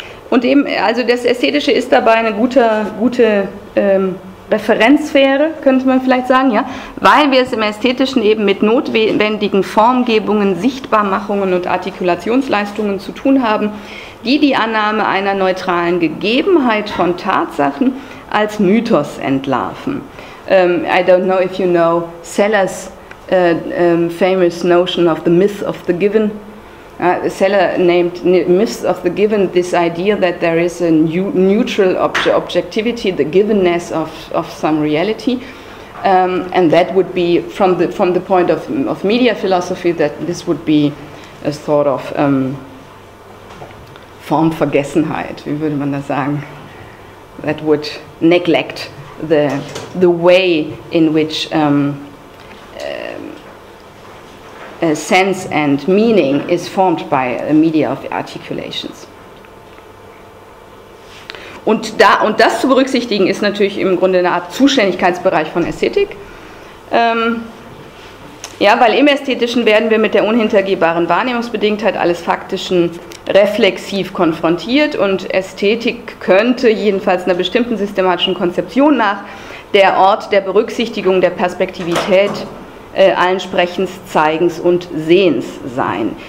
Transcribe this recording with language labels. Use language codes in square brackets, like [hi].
[de] Und eben, also das Ästhetische ist dabei eine gute Referenzsphäre, könnte man vielleicht sagen, ja, weil wir es im Ästhetischen eben mit notwendigen Formgebungen, Sichtbarmachungen und Artikulationsleistungen zu tun haben, die Annahme einer neutralen Gegebenheit von Tatsachen als Mythos entlarven. [en] I don't know if you know Sellers' famous notion of the myth of the given. Seller named Myths of the Given, this idea that there is a neutral objectivity, the givenness of some reality. And that would be, from the point of media philosophy, that this would be a sort of Formvergessenheit, [de] wie würde man das sagen, [en] that would neglect the way in which sense and meaning is formed by a media of articulations. [de] Und das zu berücksichtigen ist natürlich im Grunde eine Art Zuständigkeitsbereich von Ästhetik. Ja, weil im Ästhetischen werden wir mit der unhintergehbaren Wahrnehmungsbedingtheit alles Faktischen reflexiv konfrontiert und Ästhetik könnte jedenfalls einer bestimmten systematischen Konzeption nach der Ort der Berücksichtigung der Perspektivität allen Sprechens, Zeigens und Sehens sein.